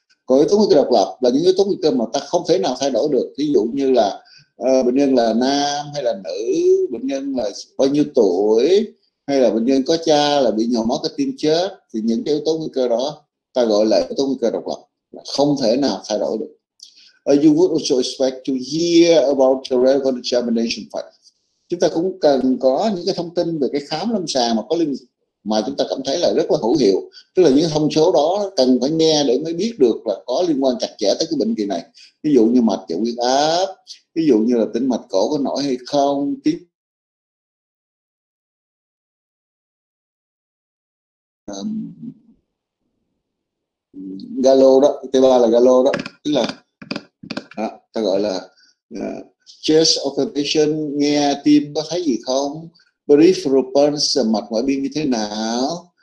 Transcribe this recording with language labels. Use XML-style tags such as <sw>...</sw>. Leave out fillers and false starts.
<vi>Còn yếu tố nguy cơ độc lập là những yếu tố nguy cơ mà ta không thể nào thay đổi được, ví dụ như là bệnh nhân là nam hay là nữ, bệnh nhân là bao nhiêu tuổi, hay là bệnh nhân có cha là bị nhồi máu cơ tim chết, thì những cái yếu tố nguy cơ đó ta gọi là yếu tố nguy cơ độc lập, là không thể nào thay đổi được.</vi> <en>You would also expect to hear about the relevant examination facts.</en> <vi>Chúng ta cũng cần có những cái thông tin về cái khám lâm sàng mà có liên mà chúng ta cảm thấy là rất là hữu hiệu, tức là những thông số đó cần phải nghe để mới biết được là có liên quan chặt chẽ tới cái bệnh kỳ này, ví dụ như mạch và huyết áp, ví dụ như là tĩnh mạch cổ có nổi hay không, tiếng Gallo đó, T3 là Gallo đó, tức là đó, ta gọi là chest occupation, nghe tim có thấy gì không, peripheral pulse, mạch ngoại biên như thế nào.</vi>